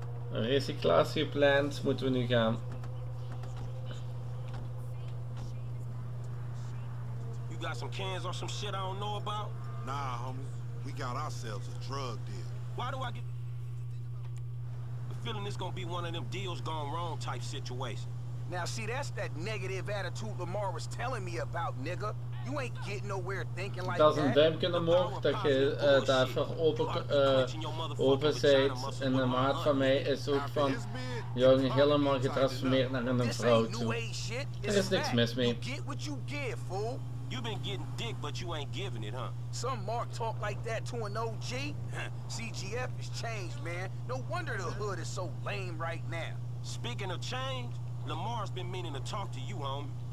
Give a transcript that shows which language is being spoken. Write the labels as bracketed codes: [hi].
[nl] Recyclatieplant moeten we nu gaan. [en] You got some cans or some shit I don't know about? Nah, homie. We got ourselves a drug deal. Why do I get... Feeling this gonna be one of them deals gone wrong type situation. Now see, that's that negative attitude Lamar was telling me about, nigga. You ain't getting nowhere thinking like that. [nl] Dat is een duimpje omhoog dat je daarvoor open bent. En de maat van mij is ook van jongen helemaal getransformeerd naar een vrouw toe. Er is niks mis mee. [en] Get what you get, fool. You've been getting dick, but you ain't giving it, huh? Some mark talk like that to an OG? CGF has changed, man. No wonder the hood is so lame right now. Speaking of change, Lamar's been meaning to talk to you, homie.